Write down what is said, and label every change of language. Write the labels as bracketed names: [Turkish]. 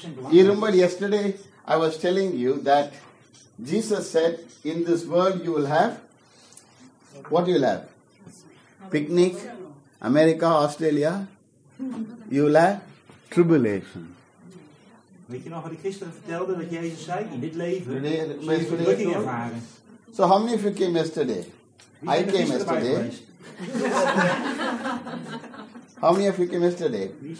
[English] You remember yesterday I was telling you that Jesus said in this world you will have what you will have? Picnic, America, Australia. You will have tribulation. [Dutch] Weet je nog wat ik gisteren vertelde dat Jezus zei in dit leven zul je verdrukking ervaren. [English] So how many of you came yesterday? I came yesterday. How many of you came yesterday?